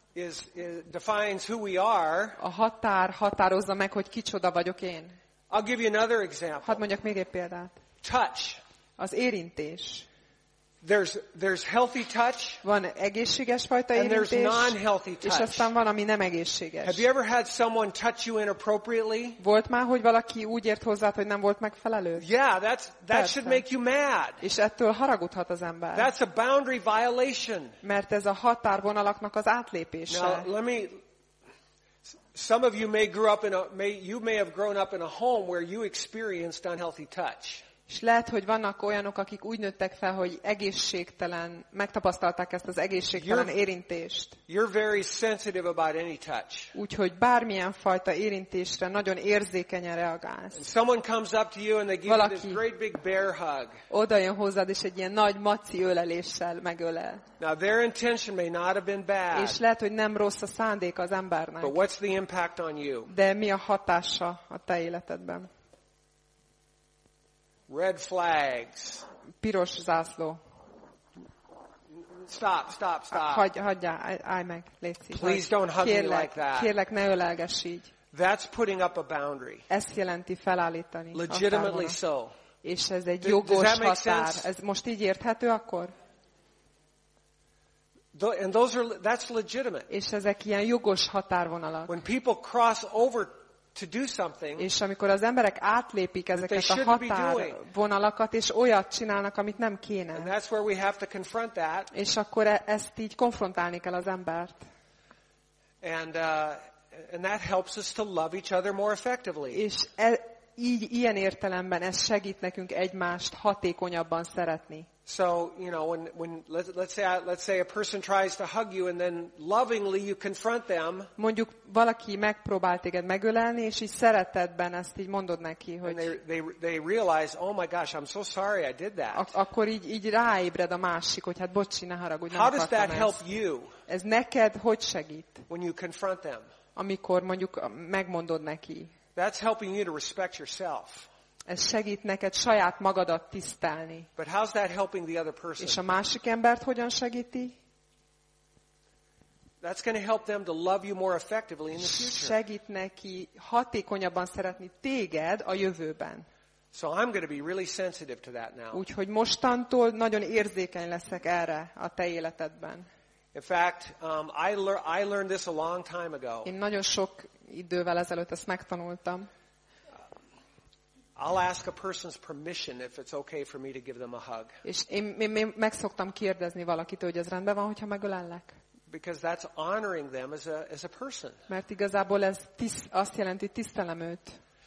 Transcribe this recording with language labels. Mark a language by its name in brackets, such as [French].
[English] Is defines who we are. [Hungarian] A határ határozza meg, hogy kicsoda vagyok én. [English] I'll give you another example. [Hungarian] Hadd mondjak még egy példát. [English] Touch. [Hungarian] Az érintés. [English] There's healthy touch. [Hungarian] Van egészséges fajta [English] and [Hungarian] érintés. [English] There's non-healthy touch. [Hungarian] És aztán van, ami nem egészséges. [English] Have you ever had someone touch you inappropriately? [Hungarian] Volt már, hogy valaki úgy ért hozzád, hogy nem volt megfelelő? [English] Yeah, that should make you mad. [Hungarian] És ettől haragudhat az ember. [English] That's a boundary violation. [Hungarian] Mert ez a határvonalaknak az átlépése. [English] Now, let me Some of you may grow up in a may you may have grown up in a home where you experienced unhealthy touch. [Hungarian] És lehet, hogy vannak olyanok, akik úgy nőttek fel, hogy egészségtelen, megtapasztalták ezt az egészségtelen érintést. [English] You're very sensitive about any touch. [Hungarian] Úgyhogy bármilyen fajta érintésre nagyon érzékenyen reagálsz. [English] Someone comes up to you and they give you this great big bear hug. [Hungarian] Oda jön hozzád, és egy ilyen nagy maci öleléssel megölel. [English] Now their intention may not have been bad. [Hungarian] És lehet, hogy nem rossz a szándék az embernek. [English] But what's the impact on you? [Hungarian] De mi a hatása a te életedben? [English] Red flags. [Hungarian] Piros zászló. [English] Stop. [Hungarian] Hagyjál, állj meg, légy szíves. [English] Please don't hug [Hungarian] kérlek, [English] me like that. [Hungarian] Kérlek, ne ölelgess így. [English] That's putting up a boundary. [Hungarian] Ezt jelenti felállítani. [English] Legitimately so. [Hungarian] És ez egy jogos határ. Ez most így érthető akkor? [English] And those are that's legitimate. [Hungarian] És ezek ilyen jogos határvonalak. [English] When people cross over to do something, [Hungarian] és amikor az emberek átlépik ezeket a határvonalakat, és olyat csinálnak, amit nem kéne. [English] And that's where we have to confront that. [Hungarian] És akkor ezt így konfrontálni kell az embert. [English] And that helps us to love each other more effectively. [Hungarian] És így ilyen értelemben ez segít nekünk egymást hatékonyabban szeretni. [English] So, you know, when let's say a person tries to hug you and then lovingly you confront them. [Hungarian] Mondjuk valaki megpróbál téged megölelni, és így szeretetben ezt így mondod neki, hogy [English] they realize, "Oh my gosh, I'm so sorry I did that." [Hungarian] Akkor így ráébred a másik, hogy hát bocsi, ne haragudj, nem akartam. [English] How does that help you? [Hungarian] Ez neked hogy segít? [English] When you confront them. [Hungarian] Amikor mondjuk megmondod neki. [English] That's helping you to respect yourself. [Hungarian] Ez segít neked saját magadat tisztelni. [English] But how's that helping the other person? [Hungarian] És a másik embert hogyan segíti? [English] That's going to help them to love you more effectively in the future. [Hungarian] Segít neki hatékonyabban szeretni téged a jövőben. [English] So I'm going to be really sensitive to that now. [Hungarian] Úgyhogy mostantól nagyon érzékeny leszek erre a te életedben. [English] In fact, I learned this a long time ago. [Hungarian] Én nagyon sok idővel ezelőtt ezt megtanultam. [English] I'll ask a person's permission if it's okay for me to give them a hug. [Hungarian] És én meg szoktam kérdezni valakitől, hogy ez rendben van, hogyha megölellek. [English] Because that's honoring them as a person. [Hungarian] Mert igazából ez azt jelenti, tisztelem őt.